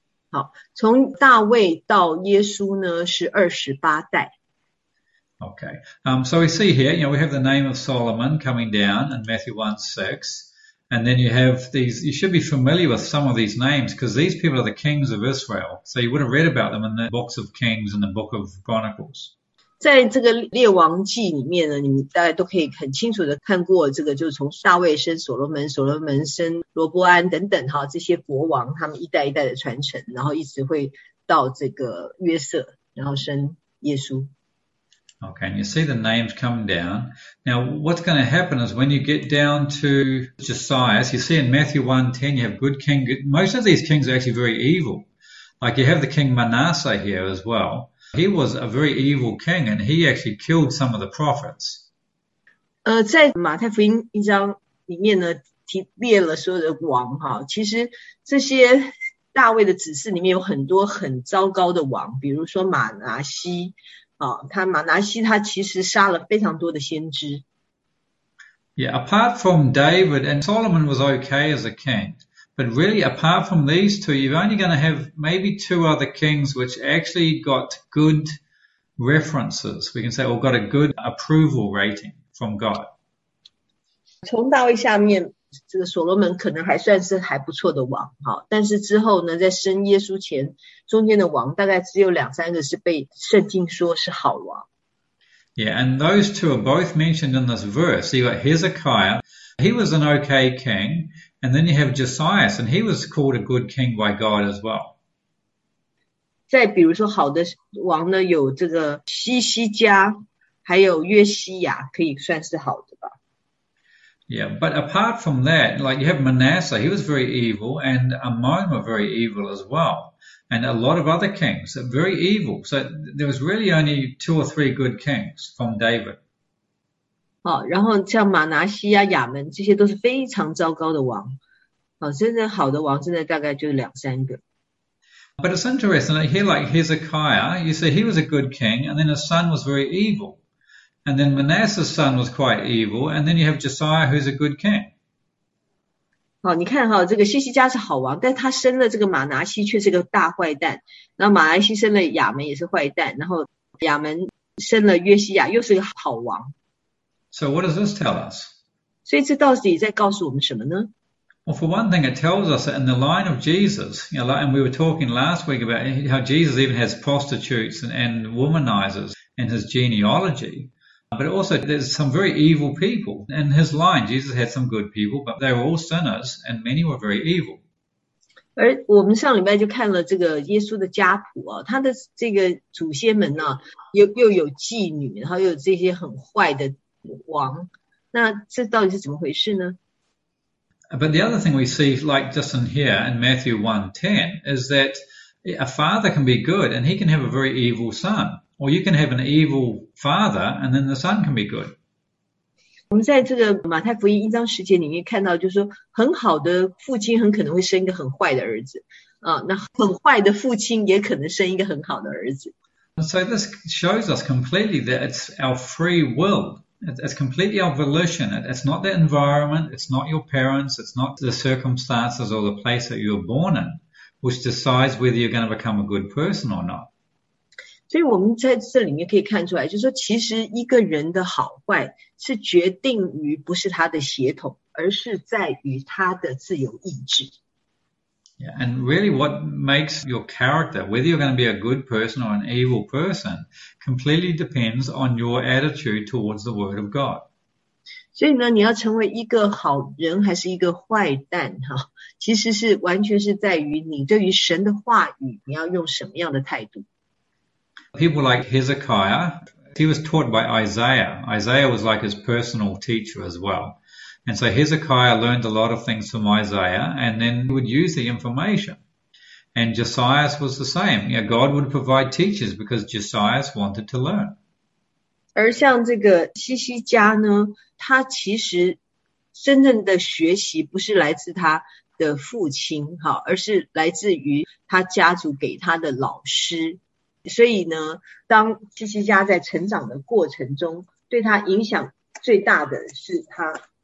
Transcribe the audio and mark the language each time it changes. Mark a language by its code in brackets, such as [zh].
[zh] 好，从大卫到耶稣呢是28代。 [en] Okay, so we see here, you know, we have the name of Solomon coming down in Matthew 1:6, and then you have these. You should be familiar with some of these names because these people are the kings of Israel. So you would have read about them in the books of Kings and the book of Chronicles. [zh] 在这个列王记里面呢，你们大家都可以很清楚的看过这个，就是从大卫生所罗门，所罗门生罗伯安等等哈，这些国王他们一代一代的传承，然后一直会到这个约瑟，然后生耶稣。 [en] Okay, and you see the names come down. Now, what's going to happen is when you get down to Josiah, you see in Matthew 1:10, you have good king. Most of these kings are actually very evil. Like you have the king Manasseh here as well. He was a very evil king, and he actually killed some of the prophets. [zh] 在马太福音一章里面呢，提列了所有的王哈。其实这些大卫的子嗣里面有很多很糟糕的王，比如说马拿西啊。他马拿西他其实杀了非常多的先知。 [en] Yeah, apart from David, and Solomon was okay as a king, but really, apart from these two, you're only going to have maybe two other kings which actually got good references, we can say, or got a good approval rating from God. [zh] 从大卫下面，这个所罗门可能还算是还不错的王哈，但是之后呢，在生耶稣前中间的王，大概只有两三个是被圣经说是好王。 [en] Yeah, and those two are both mentioned in this verse. You got Hezekiah, he was an okay king, and then you have Josias, and he was called a good king by God as well. [zh] 再比如说，好的王呢，有这个西西家，还有约西亚，可以算是好的吧。 [en] Yeah, but apart from that, like you have Manasseh, he was very evil, and Amon were very evil as well. And a lot of other kings are very evil. So there was really only two or three good kings from David. [zh] 好，然后像马拿西亚、亚门，这些都是非常糟糕的王。好，真正好的王，现在大概就两三个。 [en] But it's interesting, here like Hezekiah, you see he was a good king, and then his son was very evil. And then Manasseh's son was quite evil, and then you have Josiah who's a good king. [zh] 好，你看哈，这个西西家是好王，但他生了这个马拿西却是个大坏蛋。然后马拿西生了亚门也是坏蛋，然后亚门生了约西亚又是个好王。 [en] So what does this tell us? [zh] 所以这到底在告诉我们什么呢？ [en] Well, for one thing, it tells us that in the line of Jesus, you know, and we were talking last week about how Jesus even has prostitutes and womanizers in his genealogy, but also there's some very evil people. In his line, Jesus had some good people, but they were all sinners, and many were very evil. [zh] 而我们上礼拜就看了这个耶稣的家谱啊，他的这个祖先们啊，又有妓女，然后又有这些很坏的王，那这到底是怎么回事呢？ [en] But the other thing we see, like just in here in Matthew 1:10, is that a father can be good and he can have a very evil son. Or you can have an evil father and then the son can be good. [zh] 我们在这个马太福音一章十节里面看到，就是说很好的父亲很可能会生一个很坏的儿子，那很坏的父亲也可能生一个很好的儿子。 [en] So this shows us completely that it's our free will. It's completely our volition. It's not the environment, it's not your parents, it's not the circumstances or the place that you're born in, which decides whether you're going to become a good person or not. [zh] 所以我们在这里面可以看出来，就是说其实一个人的好坏是决定于不是他的血统，而是在于他的自由意志。 [en] Yeah, and really what makes your character, whether you're going to be a good person or an evil person, completely depends on your attitude towards the word of God. [zh] 所以呢，你要成为一个好人还是一个坏蛋，其实是完全是在于你对于神的话语，你要用什么样的态度。 [en] People like Hezekiah, he was taught by Isaiah. Isaiah was like his personal teacher as well. And so Hezekiah learned a lot of things from Isaiah and then would use the information. And Josias was the same. You know, God would provide teachers because Josias wanted to learn. [zh] 而像这个西西家呢，他其实真正的学习不是来自他的父亲，而是来自于他家族给他的老师。所以呢，当西西家在成长的过程中，对他影响最大的是他。